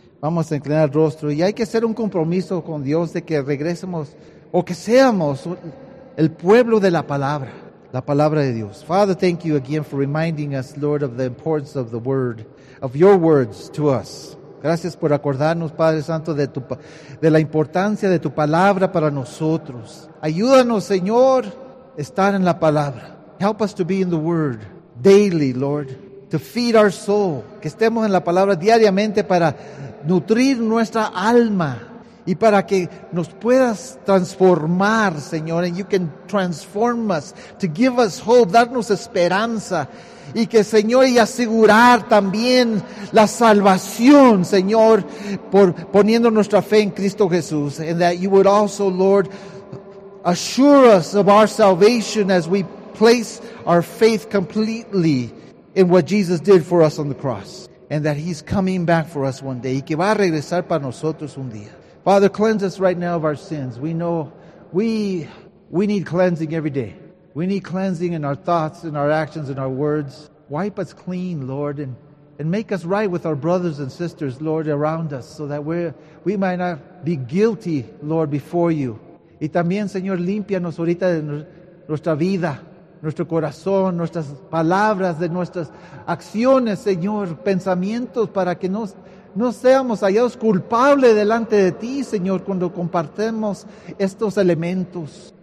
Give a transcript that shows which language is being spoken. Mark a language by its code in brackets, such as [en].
[es] Vamos a inclinar el rostro y hay que hacer un compromiso con Dios de que regresemos o que seamos el pueblo de la palabra de Dios. [en] Father, thank you again for reminding us, Lord, of the importance of the Word, of your words to us. [es] Gracias por acordarnos, Padre Santo, de la importancia de tu palabra para nosotros. Ayúdanos, Señor, estar en la palabra. [en] Help us to be in the Word daily, Lord, to feed our soul. [es] Que estemos en la palabra diariamente para nutrir nuestra alma y para que nos puedas transformar, Señor. [en] And you can transform us to give us hope, [es] darnos esperanza. Y que, Señor, y asegurar también la salvación, Señor, por poniendo nuestra fe en Cristo Jesús. [en] And that you would also, Lord, assure us of our salvation as we place our faith completely in what Jesus did for us on the cross. And that he's coming back for us one day. [es] Y que va a regresar para nosotros un día. [en] Father, cleanse us right now of our sins. We know we need cleansing every day. We need cleansing in our thoughts, in our actions, in our words. Wipe us clean, Lord, and make us right with our brothers and sisters, Lord, around us, so that we might not be guilty, Lord, before you. [es] Y también, Señor, límpianos ahorita de nuestra vida, nuestro corazón, nuestras palabras, de nuestras acciones, Señor, pensamientos, para que no seamos hallados culpables delante de ti, Señor, cuando compartimos estos elementos.